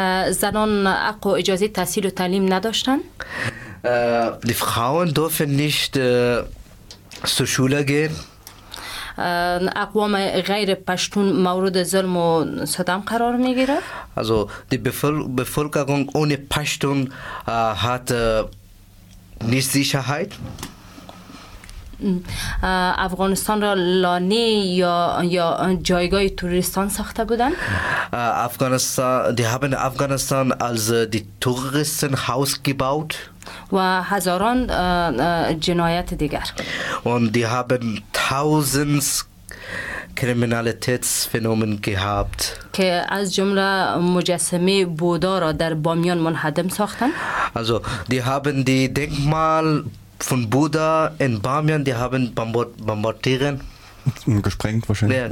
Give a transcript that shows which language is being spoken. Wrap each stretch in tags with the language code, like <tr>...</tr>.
<fa>زنان حق و اجازه تحصیل و تعلیم نداشتند.</fa> <de>Die Frauen dürfen nicht zur Schule gehen.</de> <fa>اقوام غیر پشتون مورد ظلم و ستم قرار می گیرد.</fa> <de>Also die Bevölkerung ohne Pashtun hat nicht Sicherheit.</de> <fa>افغانستان را لانه یا جایگاه توریستان ساخته بودند.</fa> <de>افغانستان die haben Afghanistan als die Touristenhaus gebaut</de> <fa>وهزاران جنايات ديگر.</fa> <de>Und die haben tausends Kriminalitätsphänomen gehabt.</de> <fa>که از جمله مجسمه بودا را در بامیان منهدم ساختن.</fa> <de>Also die haben die Denkmal von Buddha in Bamian, die haben bombardieren. Gesprengt wahrscheinlich.</de>